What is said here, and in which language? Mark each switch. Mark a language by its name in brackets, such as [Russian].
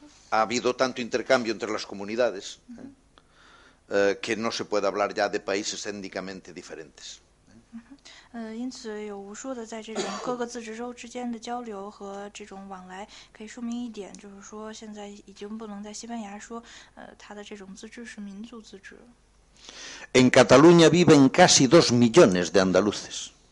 [Spanish] Ha habido tanto intercambio entre las comunidades que no se puede hablar ya de países étnicamente diferentes. [Chinese] 因此有无数的在这种各个自治州之间的交流和这种往来，可以说明一点，就是说现在已经不能在西班牙说，它的这种自治是民族自治。 [Spanish] En Cataluña viven casi 2 millones de andaluces.